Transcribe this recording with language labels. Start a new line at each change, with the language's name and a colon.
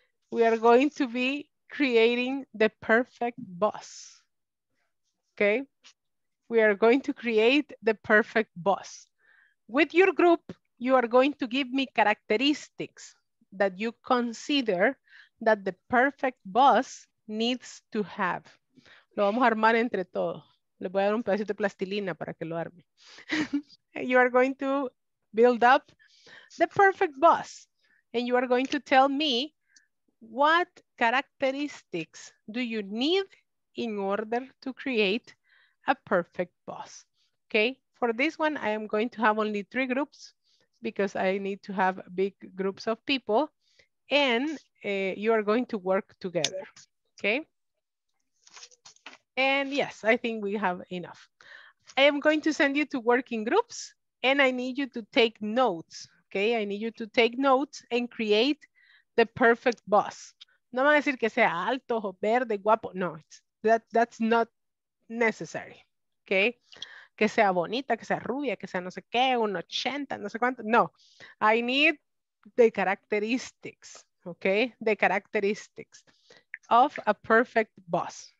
English: We are going to be creating the perfect boss. Okay? We are going to create the perfect boss. With your group, you are going to give me characteristics that you consider that the perfect boss needs to have.
Spanish: Lo vamos a armar entre todos. Le voy a dar un pedacito de plastilina para que lo arme.
English: You are going to build up the perfect boss. And you are going to tell me what characteristics do you need in order to create a perfect boss. Okay, for this one, I am going to have only 3 groups because I need to have big groups of people. And you are going to work together. Okay. And yes, I think we have enough. I am going to send you to working groups and I need you to take notes, okay? I need you to take notes and create the perfect boss.
Spanish: No van a decir que sea alto, verde, guapo.
English: No, that's not necessary, okay?
Spanish: Que sea bonita, que sea rubia, que sea no sé qué, un 80, no sé cuánto.
English: No, I need the characteristics, okay? The characteristics of a perfect boss.